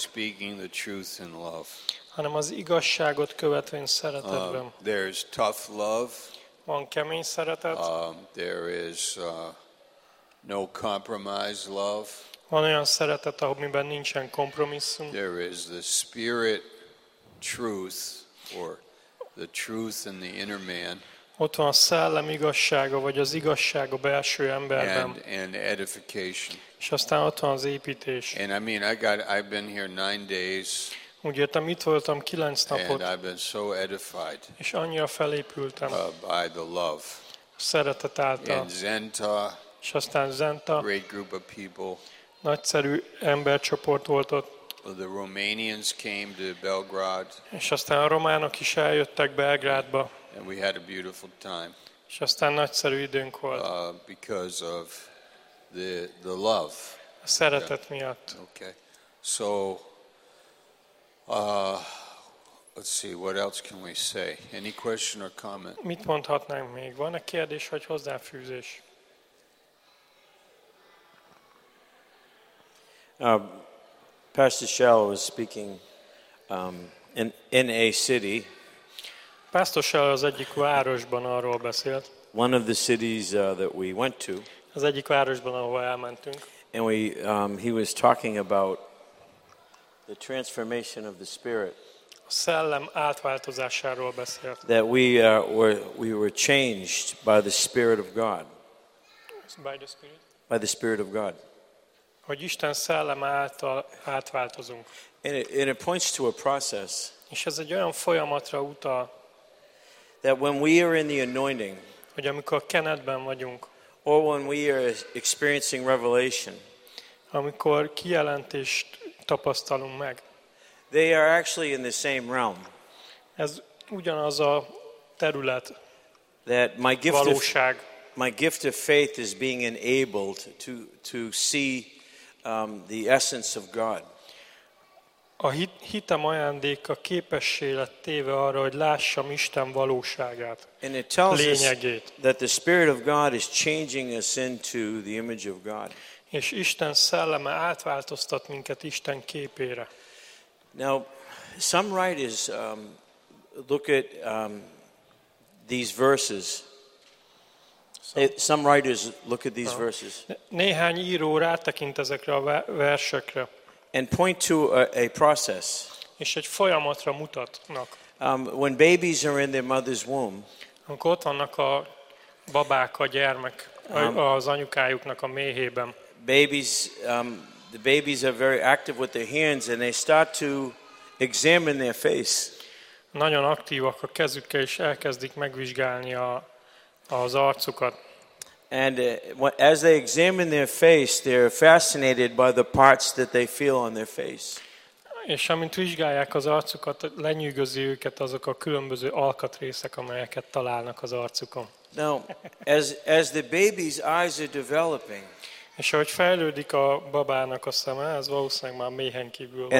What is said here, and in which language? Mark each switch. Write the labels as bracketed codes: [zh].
[en] Speaking the truth in love. [hu] Hanem az igazságot követvén szeretetben. [en] There's tough love. [hu] van kemény szeretet. [en] There is no compromise love. [hu] Van olyan szeretet, amiben nincsen kompromisszum. [en] There is the spirit truth or the truth in the inner man. [hu] Ott van a szellem igazsága, vagy az igazság a belső emberben. [en] And edification. [hu] És aztán ott van az építés. [en] And I mean, I've been here 9 days. [hu] Úgy értem, itt voltam 9 napot. [en] And I've been so edified. [hu] És annyira felépültem. [en] By the love. [hu] Szeretet által. [en] And Zenta. [hu] És aztán Zenta. [en] Great group of people. [hu] Nagyszerű embercsoport volt ott. [en] The Romanians came to Belgrade. [hu] És aztán a románok is eljöttek Belgrádba. [en] And we had a beautiful time. [hu] És aztán nagyszerű időnk volt. [en] Because of the love. [hu] A szeretet okay. miatt. [en] Okay. So let's see, what else can we say? Any question or comment? [hu] Mit mondhatnánk még? Van-e kérdés vagy hozzáfűzés? [en] Pastor Shell was speaking in a city. [hu] Pastor Shell az egyik városban arról beszélt. [en] One of the cities that we went to. [hu] Az egyik városban, ahova elmentünk. [en] And he was talking about the transformation of the spirit. [hu] A szellem átváltozásáról beszélt. [en] That we were changed by the Spirit of God. By the Spirit. By the Spirit of God. [hu] Hogy Isten szelleme által átváltozunk. [en] And it points to a process. [hu] És ez egy olyan folyamatra utal. [en] That when we are in the anointing. [hu] Hogy amikor kenetben vagyunk. [en] Or when we are experiencing revelation. [hu] Amikor kijelentést tapasztalunk meg. [en] They are actually in the same realm. [hu] Ez ugyanaz a terület. [en] That my gift [hu] valóság. [en] My gift of faith is being enabled to see the essence of God. [hu] A hitem ajándéka képessé lett téve arra, hogy lássam Isten valóságát, [en] and it tells [hu] lényegét. [en] Us that the Spirit of God is changing us into the image of God. [hu] És Isten szelleme átváltoztat minket Isten képére. [en] Now, some writers look at these verses. Some writers look at these verses. [hu] Néhány író rátekint ezekre a versekre. [en] And point to a process. [hu] És egy folyamatra mutatnak. [en] When babies are in their mother's womb. [hu] Amikor ott vannak a babák a gyermek az anyukájuknak a méhében. [en] The babies are very active with their hands and they start to examine their face. [hu] Nagyon aktívak a kezükkel és elkezdik megvizsgálni az arcukat. [en] And as they examine their face, they're fascinated by the parts that they feel on their face. [hu] És amint vizsgálják az arcukat, lenyűgözi őket azok a különböző alkatrészek, amelyeket találnak az arcukon. [en] Now, as the baby's eyes are developing, [hu] és ahogy fejlődik a babának a szeme, ez valószínűleg már méhen kívül van.